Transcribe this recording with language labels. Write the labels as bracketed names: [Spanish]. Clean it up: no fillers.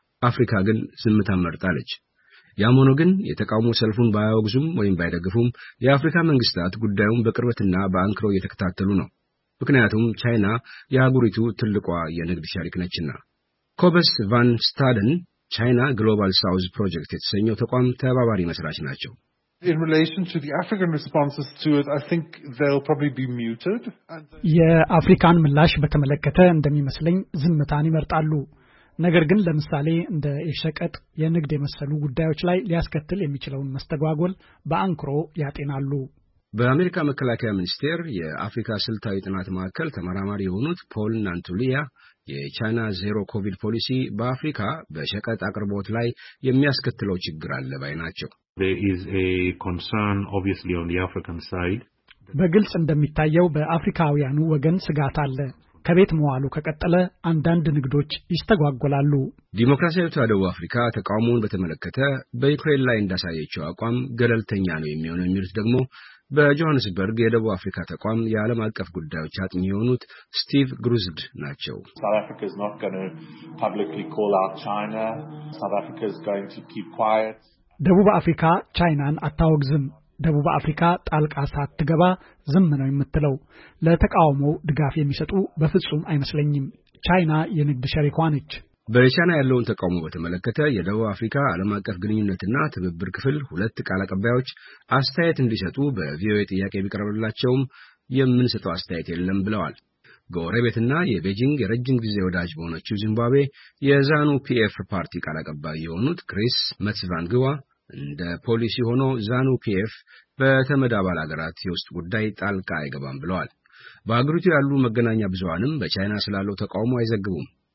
[Amharic] አፍሪካ ግን ዝምታን መርጣለች። ያም ሆኖ ግን የተቃውሞ ሰልፉን ባያወግዙም ወይም ባይደግፉም የአፍሪካ መንግስታት ጉዳዩን በቅርበትና በአንክሮ እየተከታተሉ ነው። ምክንያቱም ቻይና የአህጉሪቱ ትልቋ የንግድ ሸሪክ ነችና። ኮበስ ቫን ስታደን ቻይና ግሎባል ሳውዝ ፕሮጀክት የተሰኘው ተቋም ተባባሪ መስራች ናቸው። [English] In relation to the African responses to it, I think they'll probably be muted. [Amharic] የአፍሪካን ምላሽ በተመለከተ እንደሚመስለኝ ዝምታን ይመርጣሉ። ነገር ግን ለምሳሌ እንደ የሸቀጥ የንግድ የመሰሉ ጉዳዮች ላይ ሊያስከትል የሚችለውን መስተጓጎል በአንክሮ ያጤናሉ። በአሜሪካ መከላከያ ሚኒስቴር የአፍሪካ ስልታዊ ጥናት ማዕከል ተመራማሪ የሆኑት ፖል ናንቱሊያ የቻይና ዜሮ ኮቪድ ፖሊሲ በአፍሪካ በሸቀጥ አቅርቦት ላይ የሚያስከትለው ችግር አለ ባይ ናቸው። [English] There is a concern obviously on the African side. [Amharic] በግልጽ እንደሚታየው በአፍሪካውያኑ ወገን ስጋት አለ። ከቤት መዋሉ ከቀጠለ አንዳንድ ንግዶች ይስተጓጎላሉ። ዲሞክራሲያዊቷ ደቡብ አፍሪካ ተቃውሞን በተመለከተ በዩክሬን ላይ እንዳሳየችው አቋም ገለልተኛ ነው የሚሆነው የሚሉት ደግሞ በጆሃንስበርግ የደቡብ አፍሪካ ተቋም የዓለም አቀፍ ጉዳዮች አጥኚ የሆኑት ስቲቭ ግሩዝድ ናቸው። [English] South Africa is not going to publicly call out China. South Africa is going to keep quiet. [Amharic] ደቡብ አፍሪካ ቻይናን አታወግዝም። ደቡብ አፍሪካ ጣልቃ ሳትገባ ዝም ነው የምትለው። ለተቃውሞ ድጋፍ የሚሰጡ በፍጹም አይመስለኝም። ቻይና የንግድ ሸሪኳ ነች። በቻይና ያለውን ተቃውሞ በተመለከተ የደቡብ አፍሪካ ዓለም አቀፍ ግንኙነትና ትብብር ክፍል ሁለት ቃል አቀባዮች አስተያየት እንዲሰጡ በቪኦኤ ጥያቄ ቢቀርብላቸውም የምንሰጠው አስተያየት የለም ብለዋል። ጎረቤትና የቤጂንግ የረጅም ጊዜ ወዳጅ በሆነችው ዚምባብዌ የዛኑ ፒኤፍ ፓርቲ ቃል አቀባይ የሆኑት ክሪስ መትስቫንግዋ እንደ ፖሊሲ ሆኖ ዛኑ ፒኤፍ በተመዳባል አገራት የውስጥ ጉዳይ ጣልቃ አይገባም ብለዋል። በአገሪቱ ያሉ መገናኛ ብዙሃንም በቻይና ስላለው ተቃውሞ አይዘግቡም።